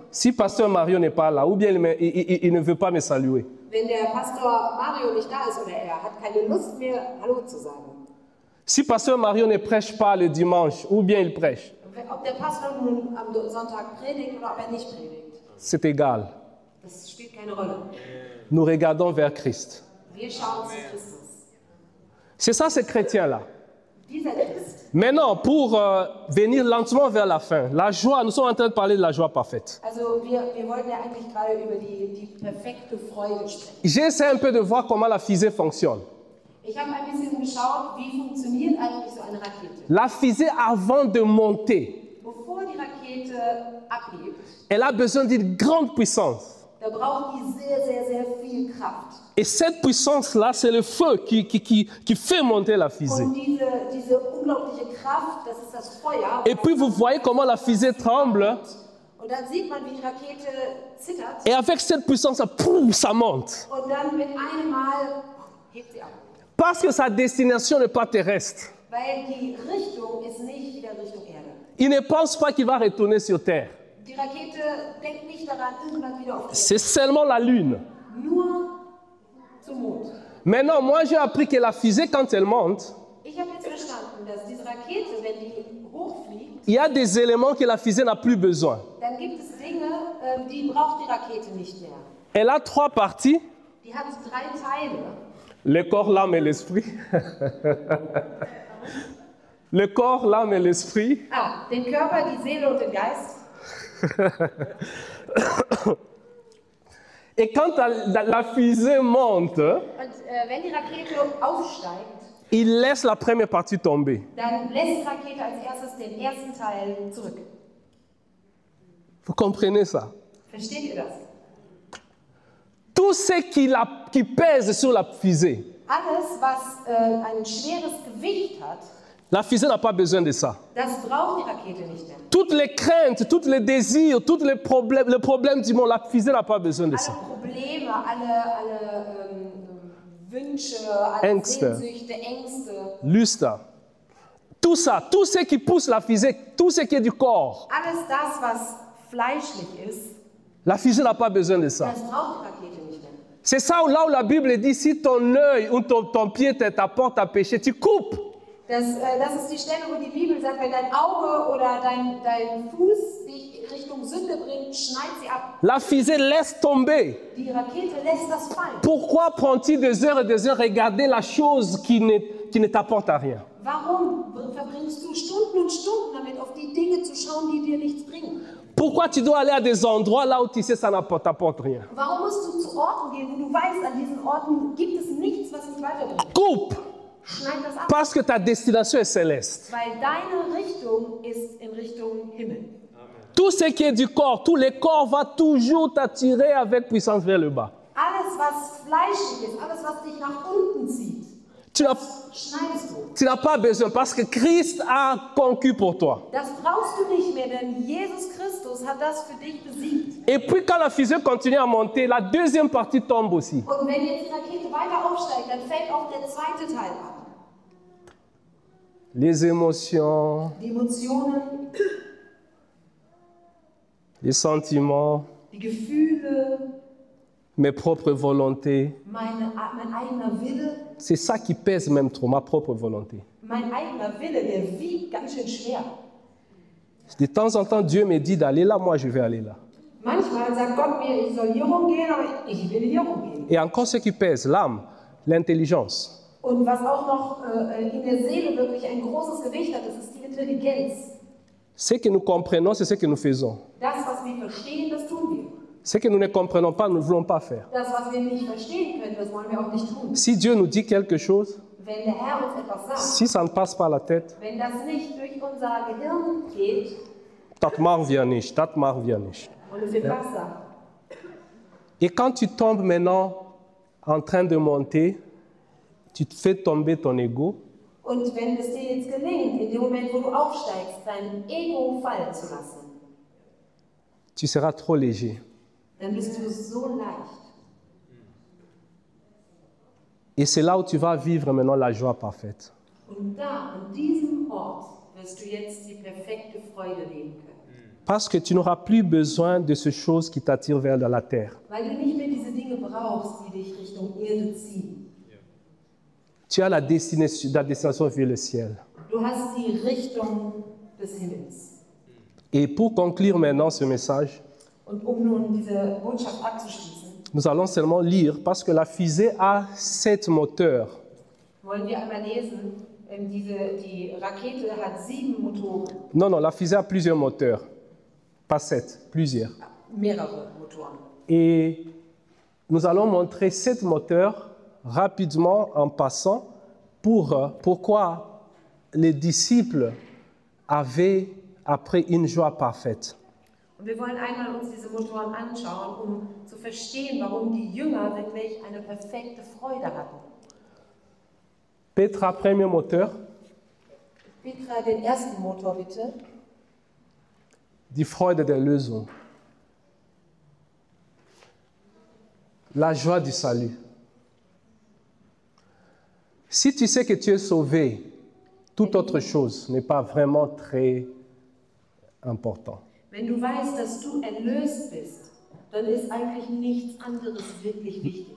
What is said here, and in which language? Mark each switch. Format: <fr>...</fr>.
<fr>Si Pasteur Mario n'est pas là, ou bien il ne veut pas me saluer.</fr> <de>Wenn der Pastor Mario nicht da ist oder er hat keine Lust mehr, hallo zu sagen.</de> <fr>Si Pasteur Mario ne prêche pas le dimanche, ou bien il prêche.</fr> <de>Ob der Pastor nun am Sonntag predigt oder ob er nicht predigt.</de> <fr>C'est égal.</fr> <de>Das spielt keine Rolle.</de> <fr>Nous regardons vers Christ.</fr> <de>Wir schauen zu Christus.</de> <fr>C'est ça ce chrétien-là.</fr> <de>Dieser Christ.</de> <fr>Maintenant, pour venir lentement vers la fin, la joie, nous sommes en train de parler de la joie parfaite.</fr> <de>Also, wir wollten ja eigentlich gerade über die perfekte Freude sprechen.</de> <fr>J'essaie un peu de voir comment la fusée fonctionne.</fr> <de>Ich habe ein bisschen geschaut, wie funktioniert eigentlich so eine Rakete.</de> <fr>La fusée avant de monter.</fr> <de>Bevor die Rakete abhebt.</de> <fr>Elle a besoin d'une grande puissance.</fr> <de>Da braucht die sehr, sehr, sehr viel Kraft.</de> <fr>Et cette puissance-là, c'est le feu qui fait monter la fusée.</fr> <de>Diese unglaubliche Kraft, das ist das Feuer.</de> <fr>Et puis vous voyez comment la fusée tremble.</fr> <de>Und dann sieht man, wie die Rakete zittert.</de> <fr>Et avec cette puissance-là, ça monte.</fr> <de>Und dann mit einem Mal hebt sie ab.</de> <fr>Parce que sa destination n'est pas terrestre.</fr> <de>Weil die Richtung ist nicht wieder Richtung Erde.</de> <fr>Il ne pense pas qu'il va retourner sur Terre.</fr> <de>Die Rakete denkt nicht daran, irgendwann wieder auf Terre.</de> <fr>C'est seulement la Lune.</fr> <de>Nur.</de> <fr>Maintenant, moi j'ai appris que la fusée, quand elle monte, il y a des éléments que la fusée n'a plus besoin.</fr> <de>Dann gibt es Dinge, die braucht die Rakete nicht mehr.</de> <fr>Elle a trois parties.</fr> <de>Die hat drei Teile.</de> <fr>Le corps, l'âme et l'esprit. Le corps, l'âme et l'esprit.</fr> <de>Ah, den Körper, die Seele und den Geist.</de> <fr>Et quand la fusée monte,</fr> <de>wenn die Rakete aufsteigt,</de> <fr>il laisse la première partie tomber.</fr> <de>Dann lässt die Rakete als erstes den ersten Teil zurück.</de> <fr>Vous comprenez ça?</fr> <de>Versteht ihr das?</de> <fr>Tout ce qui pèse sur la fusée,</fr> <de>alles, was ein schweres Gewicht hat,</de> <fr>la fusée n'a pas besoin de ça.</fr> <de>Das braucht die Rakete nicht mehr.</de> <fr>Toutes les craintes, tous les désirs, tous les problèmes, le problème du monde, la fusée n'a pas besoin de</fr> <de>alle</de> <fr>ça.</fr> <de>Probleme, alle Wünsche, alle Ängste. Sehnsüchte, Ängste. Lüster.</de> <fr>Tout ça, tout ce qui pousse la fusée, tout ce qui est du corps.</fr> <de>Alles das, was fleischlich ist.</de> <fr>La fusée n'a pas besoin de ça.</fr> <de>Das braucht die Rakete nicht mehr.</de> <fr>C'est ça là où la Bible dit, si ton œil ou ton pied t'apporte à péché, tu coupes.</fr> <de>Das ist die Stelle, wo die Bibel sagt, wenn dein Auge oder dein Fuß dich Richtung Sünde bringt, schneid sie ab.</de> <fr>La fusée laisse tomber.</fr> <de>Die Rakete lässt das fallen.</de> <fr>Pourquoi prend-il des heures et des heures regarder la chose qui ne t'apporte à rien?</fr> <de>Warum verbringst du Stunden und Stunden damit, auf die Dinge zu schauen, die dir nichts bringen?</de> <fr>Pourquoi tu dois aller à des endroits là où tu sais ça n'apporte rien?</fr> <de>Warum musst du zu Orten gehen, wo du weißt, an diesen Orten gibt es nichts, was dich weiterbringt?</de> <fr>Coupe!</fr> <de>Schneid das ab.</de> <fr>Parce que ta destination est céleste.</fr> <de>Weil deine Richtung ist in Richtung Himmel.</de> <fr>Amen. Tout ce qui est du corps, tout le corps va toujours t'attirer avec puissance vers le bas.</fr> <de>Alles was fleischig ist, alles was dich nach unten zieht.</de> <fr>Tu n'as pas besoin parce que Christ a conquis pour toi.</fr> <de>Das brauchst du nicht mehr, denn Jesus Christus hat das für dich besiegt.</de> <fr>Et puis quand la fusée continue à monter, la deuxième partie tombe aussi.</fr> <de>Und wenn jetzt die Rakete weiter aufsteigt, dann fällt auch der zweite Teil ab.</de> <fr>Les émotions.</fr> <de>Die Emotionen.</de> <fr>Les sentiments.</fr> <de>Die Gefühle.</de> <fr>mes propres volontés.</fr> <de>Mein eigener Wille.</de> <fr>C'est ça qui pèse même trop, ma propre volonté.</fr> <de>Mein eigener Wille, der wiegt ganz schön schwer.</de> <fr>De temps en temps, Dieu me dit d'aller là, moi je vais aller là.</fr> <de>Manchmal sagt Gott mir, ich soll hier rumgehen, aber ich will hier rumgehen.</de> <fr>Et encore ce qui pèse, l'âme, l'intelligence.</fr> <de>Und was auch noch in der Seele wirklich ein großes Gewicht hat, das ist die Intelligenz.</de> <fr>Ce que nous comprenons, c'est ce que nous faisons.</fr> <de>Das, was wir verstehen, das tun wir.</de> <fr>Ce que nous ne comprenons pas, nous ne voulons pas faire.</fr> <de>Das, was wir nicht verstehen können, das wollen wir auch nicht tun.</de> <fr>Si Dieu nous dit quelque chose,</fr> <de>wenn der Herr uns etwas sagt,</de> <fr>si ça ne passe pas la tête,</fr> <de>wenn das nicht durch unser Gehirn geht, das machen wir nicht.</de> <fr>On ne fait pas ça. Et quand tu tombes maintenant en train de monter, tu te fais tomber ton ego.</fr> <de>Und wenn es dir jetzt gelingt, in dem Moment, wo du aufsteigst, dein Ego fallen zu lassen,</de> <fr>tu seras trop léger.</fr> <de>Dann bist du so leicht.</de> <fr>Et c'est là où tu vas vivre maintenant la joie parfaite.</fr> <de>Und da, an diesem Ort, wirst du jetzt die perfekte Freude leben können.</de> <fr>Parce que tu n'auras plus besoin de ces choses qui t'attirent vers la terre.</fr> <de>Weil du nicht mehr diese Dinge brauchst, die dich Richtung Erde ziehen.</de> <fr>Tu as la destination vers le ciel.</fr> <de>Du hast die Richtung des Himmels.</de> <fr>Et pour conclure maintenant ce message,</fr> <de>und um nun diese Botschaft abzuschließen,</de> <fr>nous allons seulement lire, parce que la fusée a sept moteurs.</fr> <de>Wollen wir einmal lesen, die Rakete hat sieben Motoren.</de> <fr>Non, la fusée a plusieurs moteurs. Pas sept, plusieurs.</fr> <de>Mehrere Motoren.</de> <fr>Et nous allons montrer sept moteurs rapidement en passant pourquoi les disciples avaient après une joie parfaite.</fr> <de>Und wir wollen einmal uns diese Motoren anschauen, um zu verstehen, warum die Jünger wirklich eine perfekte Freude hatten.</de> <fr>Petra, premier moteur.</fr> <de>Petra, den ersten Motor bitte. Die Freude der Lösung.</de> <fr>La joie du salut. Si tu sais que tu es sauvé, toute autre chose n'est pas vraiment très important.</fr> <de>Wenn du weißt, dass du erlöst bist, dann ist eigentlich nichts anderes wirklich wichtig.</de>